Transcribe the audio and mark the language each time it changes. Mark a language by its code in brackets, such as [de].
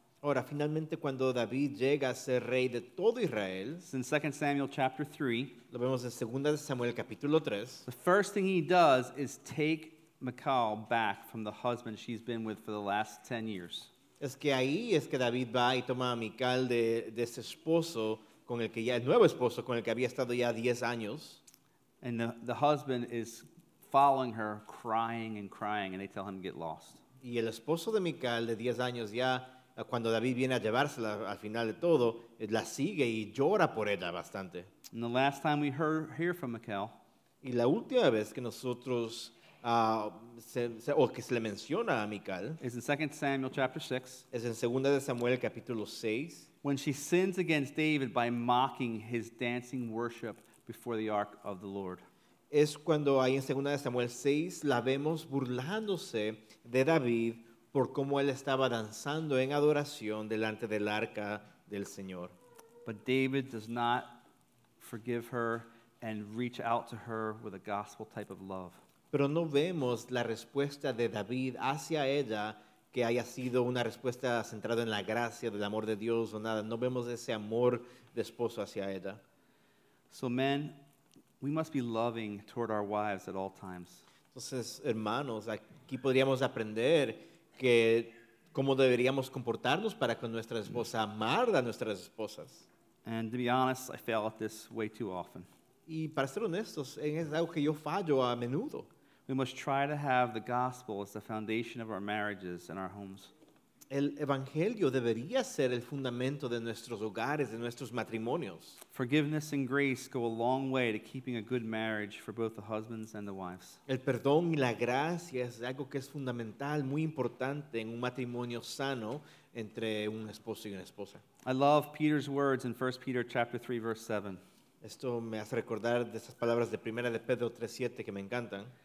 [es] Ahora, finalmente, cuando David llega a ser rey de todo Israel, [en] in 2 Samuel chapter 3, [es] lo vemos en 2 Samuel capítulo 3, [en] the first thing he does is take Michal back from the husband she's been with for the last 10 years. [es] Es que ahí es que David va y toma a Michal de ese esposo, con el que ya, el nuevo esposo, con el que había estado ya 10 años. [en] And the husband is following her, crying and crying, and they tell him to get lost. [es] Y el esposo de Michal de 10 años ya, cuando David viene a llevársela al final de todo, la sigue y llora por ella bastante. [en] And the last time we hear from Michal, [es] y la última vez que nosotros que se le menciona a Michal, [en] is in 2 Samuel chapter 6, [es] es en 2 Samuel capítulo 6, [en] when she sins against David by mocking his dancing worship before the ark of the Lord. [es] Es cuando ahí en 2 Samuel 6 la vemos burlándose de David por cómo él estaba danzando en adoración delante del arca del Señor. [en] But David does not forgive her and reach out to her with a gospel type of love. [es] Pero no vemos la respuesta de David hacia ella que haya sido una respuesta centrada en la gracia del amor de Dios o nada. No vemos ese amor de esposo hacia ella. [en] So men, we must be loving toward our wives at all times. [es] Entonces, hermanos, aquí podríamos aprender que cómo deberíamos comportarnos para con nuestra esposa, amar a nuestras esposas. [en] And to be honest, I fail at this way too often. [es] Y para ser honestos, es algo que yo fallo a menudo. [en] We must try to have the gospel as the foundation of our marriages and our homes. [es] El evangelio debería ser el fundamento de nuestros hogares, de nuestros matrimonios. [en] Forgiveness and grace go a long way to keeping a good marriage for both the husbands and the wives. [es] El perdón y la gracia es algo que es fundamental, muy importante en un matrimonio sano entre un esposo y una esposa. [en] I love Peter's words in 1 Peter chapter 3 verse 7. [es] Esto me hace recordar de esas palabras de Primera de Pedro 3:7 que me encantan.